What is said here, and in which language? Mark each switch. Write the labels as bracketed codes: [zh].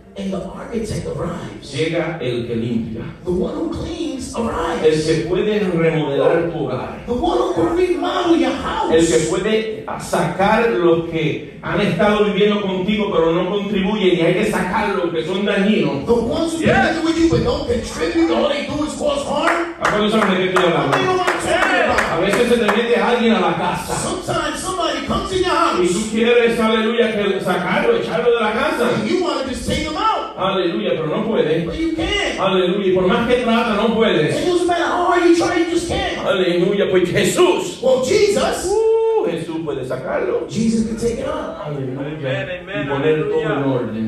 [en] and the architect arrives, [es] llega el que limpia, [en] the one who cleans arrives, [es] el que puede remodelar tu hogar, [en] the one who can remodel your house, [es] el que puede sacar lo que han estado viviendo contigo pero no contribuyen y hay que sacarlo que son dañinos. [en] The ones who yes. Live with you but don't contribute, all they do is cause harm. [es] ¿A cuándo saben de qué estoy hablando? [en] Yeah. [es] A veces se te mete alguien a la casa. [en] Sometimes somebody punks in your house. [es] Y tú quieres, aleluya, que sacarlo, echarlo de la casa. [en] And you want to just take them out. [es] Aleluya, pero no puede. [en] But you can't. [es] Aleluya, por más que trata, no puede. [en] It doesn't matter how hard you try, you just can't. [es] Aleluya, pues Jesús. [en] Well, Jesus. [es] Jesús puede sacarlo. [en] Jesus can take it out. [es] Aleluya. Amen, amen, y poner aleluya. Todo en orden.